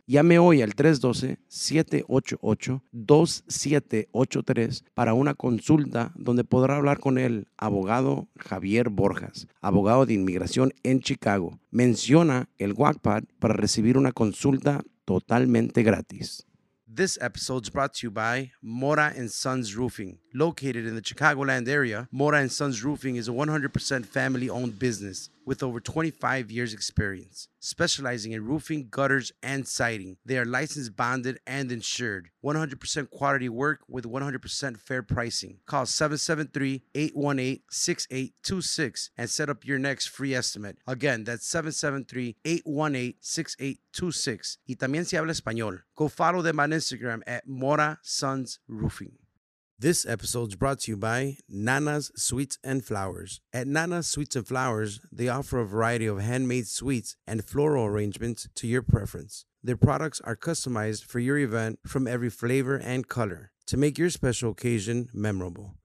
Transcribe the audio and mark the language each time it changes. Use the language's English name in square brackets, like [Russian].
[Spanish] Llame hoy al 312-788-2783 para una consulta donde podrá hablar con el abogado Javier Borjas, abogado de inmigración en Chicago. Menciona el WACPAD para recibir una consulta totalmente gratis. [English] This episode is brought to you by Mora and Sons Roofing. Located in the Chicagoland area, Mora and Sons Roofing is a 100% family-owned business with over 25 years experience. Specializing in roofing, gutters, and siding, they are licensed, bonded, and insured. 100% quality work with 100% fair pricing. Call 773-818-6826 and set up your next free estimate. Again, that's 773-818-6826. [Spanish] Y también si habla español, [English] go follow them on Instagram at Mora Sons Roofing. This episode is brought to you by Nana's Sweets and Flowers. At Nana's Sweets and Flowers, they offer a variety of handmade sweets and floral arrangements to your preference. Their products are customized for your event from every flavor and color to make your special occasion memorable.